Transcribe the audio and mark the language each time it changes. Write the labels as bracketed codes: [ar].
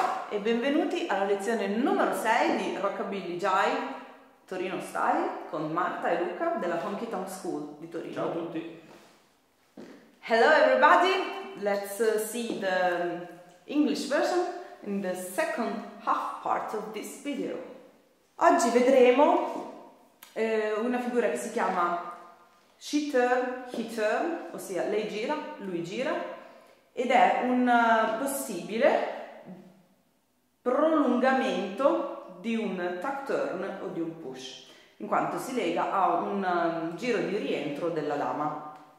[it] E benvenuti alla lezione numero 6 di Rockabilly Jai Torino Style con Marta e Luca della Honky Tonk School di Torino. Ciao a tutti! [en] Hello everybody! Let's see the English version in the second half part of this video. [it] Oggi vedremo una figura che si chiama She Turn, He Turn, ossia lei gira, lui gira, ed è un possibile prolungamento di un tuck turn o di un push, in quanto si lega a un giro di rientro della lama.